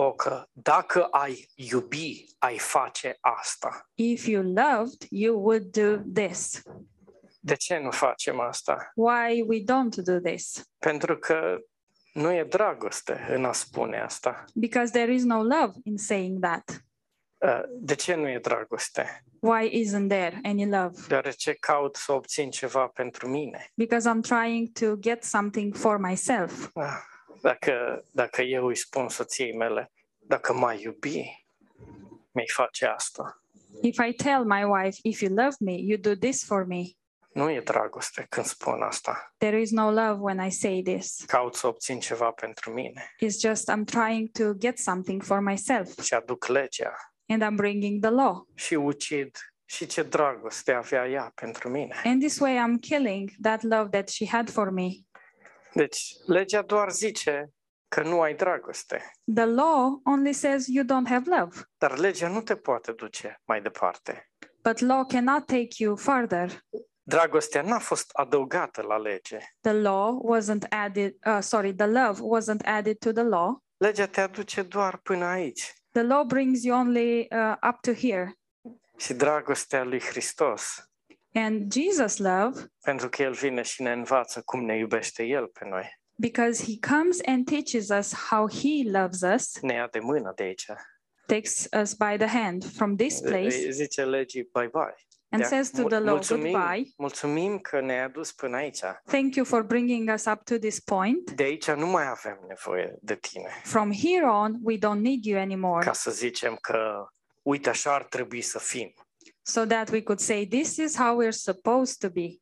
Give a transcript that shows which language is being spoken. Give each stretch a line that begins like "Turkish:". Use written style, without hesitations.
Romanian: Că dacă ai iubi, ai face asta.
English: If you loved, you would do this.
Romanian: De ce nu facem asta?
English: Why we don't do this?
Romanian: Pentru că nu e dragoste în a spune asta.
English: Because there is no love in saying that.
Romanian: De ce nu e dragoste?
English: Why isn't there any love?
Romanian: Deoarece caut să obțin ceva pentru mine.
English: Because I'm trying to get something for myself.
Romanian: Dacă eu îi spun soției mele, dacă m-ai iubi, mi-ai face asta.
English: If I tell my wife, if you love me, you do this for me.
Romanian: Nu e dragoste când spun asta.
English: There is no love when I say this.
Romanian: Caut să obțin ceva pentru mine.
English: It's just I'm trying to get something for myself.
Romanian: Și aduc legea.
English: And I'm bringing the law.
Romanian: Și ucid. Și ce dragoste avea ea pentru mine.
English: And this way I'm killing that love that she had for me.
Romanian: Deci, legea doar zice că nu ai dragoste.
English: The law only says you don't have love.
Romanian: Dar legea nu te poate duce mai departe.
English: But law cannot take you further.
Romanian: Dragostea n-a fost adăugată la lege.
English: The law wasn't added, the love wasn't added to the law.
Romanian: Legea te aduce doar până aici.
English: The law brings you only up to here.
Romanian: Și dragostea lui Hristos.
English: And Jesus love.
Romanian: Pentru că el vine și ne învață cum ne iubește el pe noi.
English: Because he comes and teaches us how he loves us.
Romanian: Ne ia de mână de aici.
English: Takes us by the hand from this place.
Romanian: Zice legii
English: bye bye. And says to the law goodbye.
Romanian: Mulțumim că ne-ai adus până aici.
English: Thank you for bringing us up to this point.
Romanian: De aici nu mai avem nevoie de tine.
English: From here on we don't need you anymore.
Romanian: Ca să zicem că uite așa ar trebui să fim.
English: So that we could say, this is how we're supposed to be.